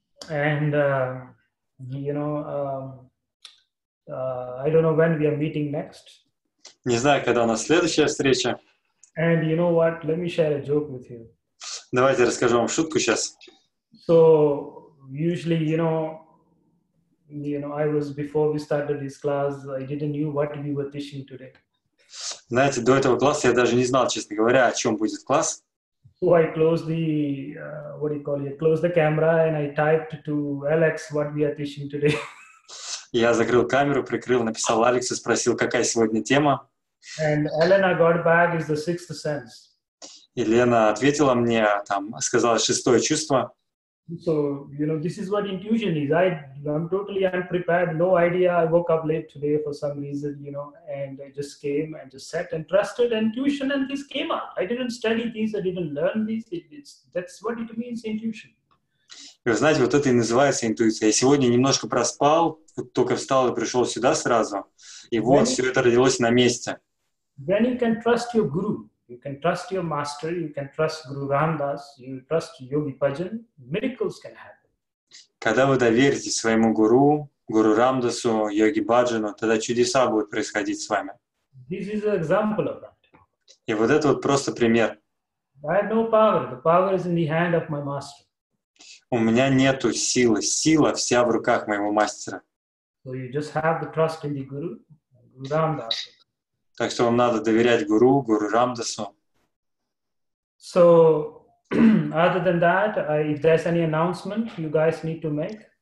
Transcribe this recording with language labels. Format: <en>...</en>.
<en>And, you know, I don't know when we are meeting next.</en> <ru>Не знаю, когда у нас следующая встреча.</ru> <en>And you know what? Let me share a joke with you.</en> <ru>Давайте расскажу вам шутку сейчас.</ru> <en>So usually, you know, I was before we started this class, I didn't know what we were teaching today.</en> <ru>Знаете, до этого класса я даже не знал, честно говоря, о чем будет класс.</ru> <en>So I closed the closed the camera and I typed to Alex what we are teaching today.</en> <ru>Я закрыл камеру, прикрыл, написал Алексу, спросил, какая сегодня тема.</ru> <en>And Elena got back is the sixth sense.</en> <ru>Елена ответила мне, там, сказала шестое чувство.</ru> <en>So, you know, this is what intuition is. I'm totally unprepared, no idea. I woke up late today for some reason, you know, and I just came and just sat and trusted intuition and this came up. I didn't study this, I didn't learn this. That's what it means, intuition.</en> <ru>И вы знаете, вот это и называется интуиция. Я сегодня немножко проспал, вот только встал и пришел сюда сразу, и вот все это родилось на месте.</ru> <en>Then you can trust your guru. You can trust your master, you can trust Guru Ram Das, you trust Yogi Bhajan, miracles can happen.</en> <ru>Когда вы доверите своему гуру, Гуру Рам Дасу, Йоги Баджану, тогда чудеса будут происходить с вами.</ru> <en>This is an example of that.</en> <ru>И вот это вот просто пример.</ru> <en>I have no power. The power is in the hand of my master.</en> <ru>У меня нету силы. Сила вся в руках моего мастера.</ru> <en>So you just have the trust in the guru, Guru Ram Das.</en> <ru>Так что вам надо доверять гуру, гуру Рамдасу.</ru> <en>So, other than that, if there's any announcement you guys need to make.</en>